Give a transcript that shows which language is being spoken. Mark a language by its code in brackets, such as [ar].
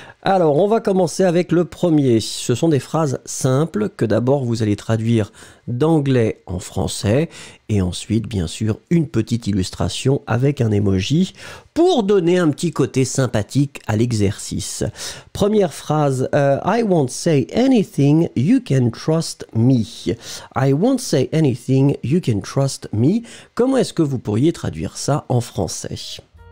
[fr] Alors, on va commencer avec le premier. Ce sont des phrases simples que d'abord vous allez traduire d'anglais en français et ensuite, bien sûr, une petite illustration avec un emoji pour donner un petit côté sympathique à l'exercice. Première phrase, [en] I won't say anything, you can trust me. I won't say anything, you can trust me. [fr] Comment est-ce que vous pourriez traduire ça en français ?